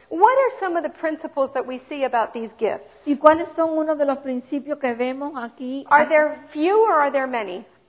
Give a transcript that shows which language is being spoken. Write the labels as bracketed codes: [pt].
[en] What are some of the principles that we see about these gifts? [es] ¿Y cuáles son uno de los principios que vemos aquí? [en] Are there few or are there many?